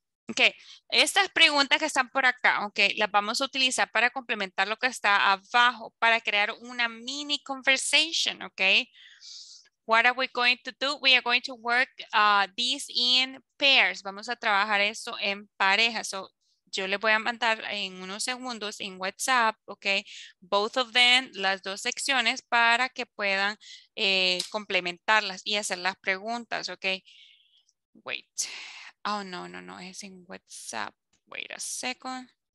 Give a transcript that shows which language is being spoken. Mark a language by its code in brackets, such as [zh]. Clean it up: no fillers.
[es] Okay, estas preguntas que están por acá, okay, las vamos a utilizar para complementar lo que está abajo para crear una mini conversation, okay? [en] What are we going to do? We are going to work these in pairs. [es] Vamos a trabajar eso en pareja. So, yo les voy a mandar en unos segundos en WhatsApp, okay? [en] Both of them, [es] las dos secciones para que puedan complementarlas y hacer las preguntas, okay? [en] Wait. Oh, no, [es] es en WhatsApp. [en] Wait a second.